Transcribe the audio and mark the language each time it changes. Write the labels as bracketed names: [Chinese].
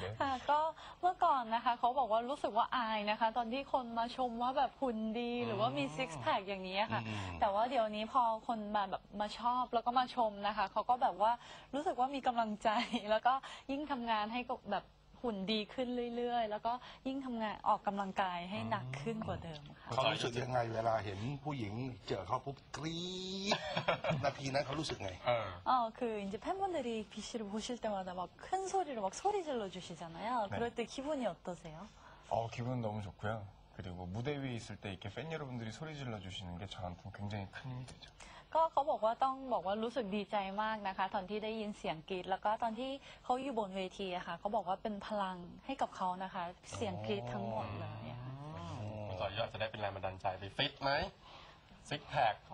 [Thai] ค่ะก็เมื่อก่อนนะคะเขาบอกว่ารู้สึกว่าอายนะคะตอนที่คนมาชมว่าแบบหุ่นดีหรือว่ามีซิกแพคอย่างนี้ค่ะแต่ว่าเดี๋ยวนี้พอคนมาแบบมาชอบแล้วก็มาชมนะคะเขาก็แบบว่ารู้สึกว่ามีกำลังใจแล้วก็ยิ่งทำงานให้แบบหุ่นดีขึ้นเรื่อยๆแล้วก็ยิ่งทำงานออกกำลังกายให้หนักขึ้นกว่าเดิมค่ะ เขารู้สึกยังไงเวลาเห็นผู้หญิงเจอเขาปุ๊บกรี๊ดนาทีนั้นเขารู้สึกไง [Korean] คือ이제팬분들이 비씨를 보실 때마다 막 큰 소리로 막 소리 질러 주시잖아요 그럴 때 기분이 어떠세요 기분은 너무 좋고요그리고 무대 위에 있을 때 이렇게 팬 여러분들이 소리 질러 주시는 게 저한테는 굉장히 큰 힘이 되죠 [Thai] ก็เขาบอกว่าต้องบอกว่ารู้สึกดีใจมากนะคะตอนที่ได้ยินเสียงกรีดแล้วก็ตอนที่เขาอยู่บนเวทีอะค่ะเขาบอกว่าเป็นพลังให้กับเขานะคะเสียงกรีดทั้งหมดเลย อ๋อ จอยยอดจะได้เป็นแรงบันดาลใจไปฟิตไหมซิกแพค